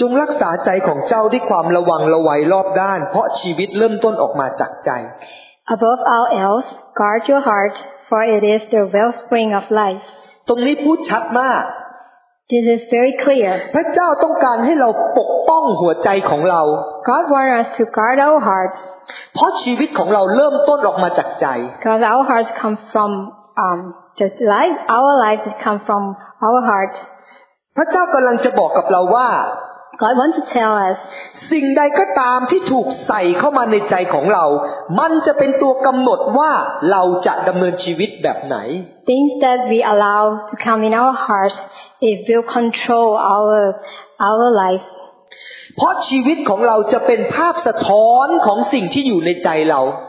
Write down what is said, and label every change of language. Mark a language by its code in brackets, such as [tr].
[th] จงรักษาใจของเจ้าด้วยความระวังระไวรอบด้านเพราะชีวิตเริ่มต้นออกมาจากใจ [en] Above all else guard your heart for it is the wellspring of life. [th] ตรงนี้พูดชัดมาก [en] This is very clear. [th] พระเจ้าต้องการให้เราปกป้องหัวใจของเรา [en] God wants us to guard our hearts. [th] เพราะชีวิตของเราเริ่มต้นออกมาจากใจ [en] Because our hearts come from our life come from our heart. [th] พระเจ้ากำลังจะบอกกับเราว่า [en] God wants to tell us. [th] สิ่งใดก็ตามที่ถูกใส่เข้ามาในใจของเรามันจะเป็นตัวกำหนดว่าเราจะดำเนินชีวิตแบบไหน [en] Things that we allow to come in our hearts, it will control our life. [th] เพราะชีวิตของเราจะเป็นภาพสะท้อนของสิ่งที่อยู่ในใจเรา